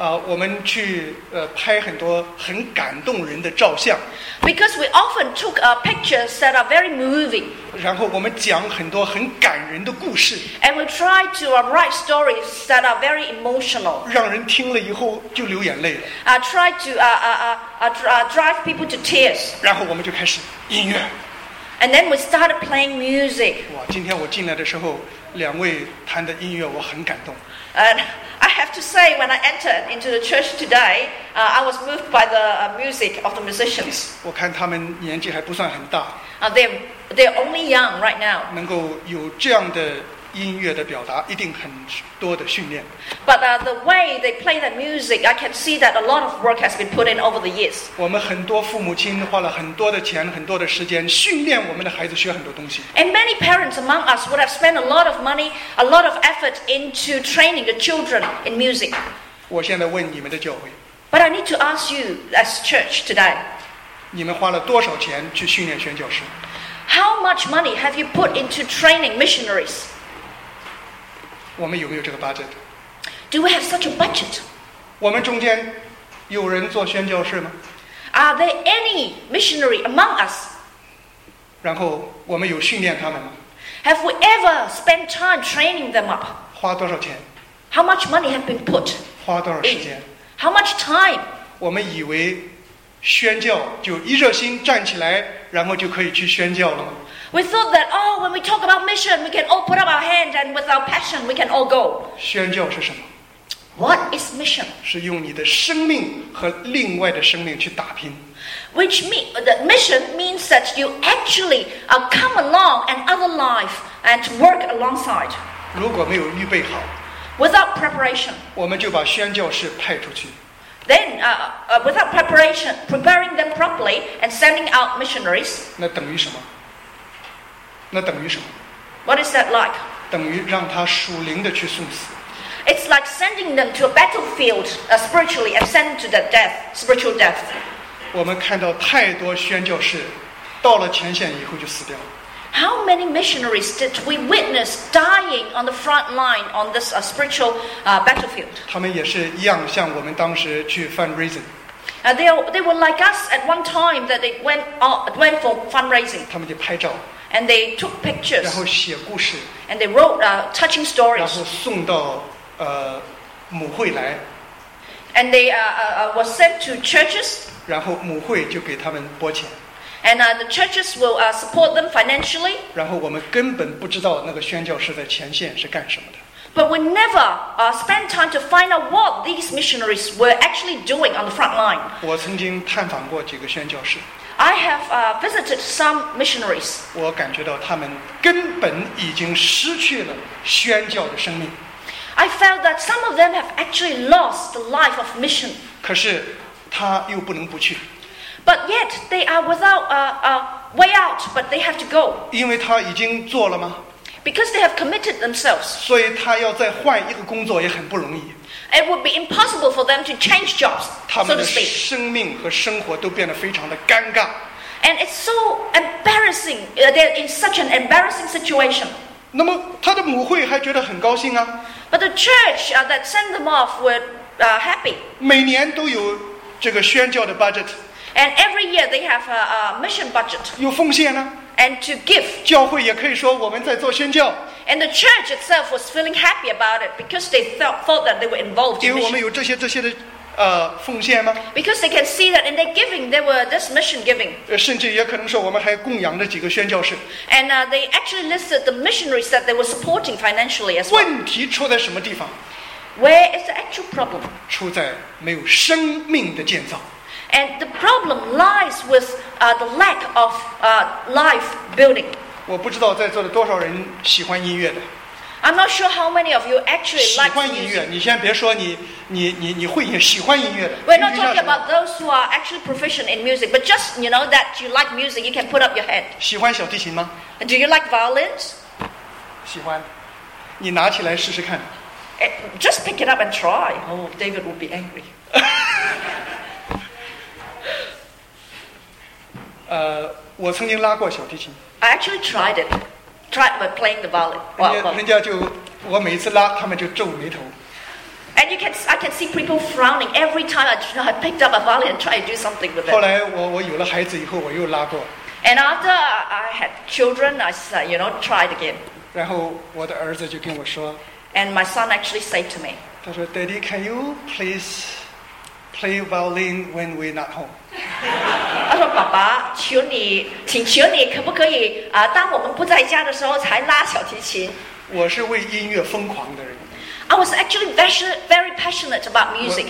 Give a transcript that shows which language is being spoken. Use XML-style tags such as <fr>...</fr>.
<zh>我们去拍很多很感动人的照相。</zh> <en>Because we often took pictures that are very moving.</en> <zh>然后我们讲很多很感人的故事。</zh> <en>And we try to write stories that are very emotional.</en> <zh>让人听了以后就流眼泪了。</zh> <en>Try to drive people to tears.</en> <zh>然后我们就开始音乐。</zh> <en>And then we started playing music.</en> <zh>哇，今天我进来的时候，两位弹的音乐我很感动。</zh> <en>And I have to say, when I entered into the church today, I was moved by the music of the musicians.</en> <zh>我看他们年纪还不算很大。</zh> <en>They're only young right now.</en> <zh>能够有这样的音乐的表达，一定很多的训练。</zh> <en>But the way they play the music, I can see that a lot of work has been put in over the years.</en> <zh>我们很多父母亲花了很多的钱，很多的时间训练我们的孩子学很多东西。</zh> <en>And many parents among us would have spent a lot of money, a lot of effort into training the children in music.</en> <zh>我现在问你们的教会。</zh> <en>But I need to ask you as church today.</en> <zh>你们花了多少钱去训练宣教士？</zh> <en>How much money have you put into training missionaries?</en> <zh>我们有没有这个 budget?</zh> <en>Do we have such a budget?</en> <zh>我们中间有人做宣教士吗？</zh> <en>Are there any missionary among us?</en> <zh>然后我们有训练他们吗？</zh> <en>Have we ever spent time training them up?</en> <zh>花多少钱？</zh> <en>How much money have been put?</en> <zh>花多少时间？</zh> <en>How much time?</en> <zh>我们以为宣教就一热心站起来，然后就可以去宣教了吗？</zh> <en>We thought that, oh, when we talk about mission, we can all put up our hand and with our passion, we can all go.</en> <zh>宣教是什么？</zh> <en>What is mission?</en> <zh>是用你的生命和另外的生命去打拼。</zh> <en>Which mean, the mission means that you actually come along an other life and work alongside.</en> <zh>如果没有预备好，</zh> <en>Without preparation,</en> <zh>我们就把宣教士派出去。</zh> <en>Then, without preparation, preparing them properly and sending out missionaries.</en> <zh>那等于什么？那等于什么？</zh> <en>What is that like?</en> <zh>等于让他属灵的去送死。</zh> <en>It's like sending them to a battlefield spiritually and send them to the death, spiritual death.</en> <zh>我们看到太多宣教士到了前线以后就死掉了。</zh> <en>How many missionaries did we witness dying on the front line on this spiritual battlefield?</en> <zh>他们也是一样像我们当时去 fundraising。</zh> <en>They were like us at one time that they went for fundraising.</en> <zh>他们就拍照。</zh> <en>And they took pictures.</en> <zh>然后写故事。</zh> <en>And they wrote touching stories.</en> <zh>然后送到母会来。</zh> <en>And they were sent to churches.</en> <zh>然后母会就给他们拨钱。</zh> <en>And the churches will support them financially.</en> <zh>然后我们根本不知道那个宣教士在前线是干什么的。</zh> <en>But we never spend time to find out what these missionaries were actually doing on the front line.</en> <zh>我曾经探访过几个宣教士。</zh> <en>I have visited some missionaries.</en> <zh>我感觉到他们根本已经失去了宣教的生命。</zh> <en>I felt that some of them have actually lost the life of mission.</en> <zh>可是他又不能不去。</zh> <en>But yet they are without a way out, but they have to go.</en> <zh>因为他已经做了吗？</zh> <en>Because they have committed themselves.</en> <zh>所以他要再换一个工作也很不容易。</zh> <en>It would be impossible for them to change jobs, so to speak.</en> <zh>他们的生命和生活都变得非常的尴尬。</zh> <en>And it's so embarrassing. They're in such an embarrassing situation.</en> <zh>那么他的母会还觉得很高兴啊。</zh> <en>But the church that sent them off were happy.</en> <zh>每年都有这个宣教的 budget.</zh> <en>And every year they have a mission budget.</en> <zh>有奉献啊。</zh> <en>And to give.</en> <zh>教会也可以说我们在做宣教。</zh> <en>And the church itself was feeling happy about it because they thought that they were involved in mission.</en> <zh>因为我们有这些的奉献吗？</zh> <en>Because they can see that in their giving, there were this mission giving.</en> <zh>甚至也可能说我们还供养了几个宣教士。</zh> <en>And they actually listed the missionaries that they were supporting financially as well.</en> <zh>问题出在什么地方？</zh> <en>Where is the actual problem?</en> <zh>出在没有生命的建造。</zh> <en>And the problem lies with the lack of life building.</en> <zh>我不知道在座的多少人喜欢音乐的。</zh> <en>I'm not sure how many of you actually like music.</en> <zh>喜欢音乐，你先别说你会也喜欢音乐的。</zh> <en>We're not talking about those who are actually proficient in music, but just you know that you like music, you can put up your hand.</en> <zh>喜欢小提琴吗？</zh> <en>Do you like violins?</en> <zh>喜欢，你拿起来试试看。</zh> <en>Just pick it up and try. Oh, David will be angry.</en> <zh>我曾经拉过小提琴。</zh> <en>I actually tried it. Tried by playing the violin.</en> <zh>人家就我每次拉，他们就皱眉头。</zh> <en>And you can I can see people frowning every time I picked up a violin and tried to do something with it.</en> <zh>后来我有了孩子以后，我又拉过。</zh> <en>And after I had children, I said, you know, tried again.</en> <zh>然后我的儿子就跟我说。</zh> <en>And my son actually said to me.</en> <zh>他说</zh> <en>，Daddy, can you please play violin when we're not home?</en> <zh>他说爸爸，请求你可不可以啊？当我们不在家的时候才拉小提琴。我是为音乐疯狂的人。</zh> <en>I was actually very, very passionate about music.</en>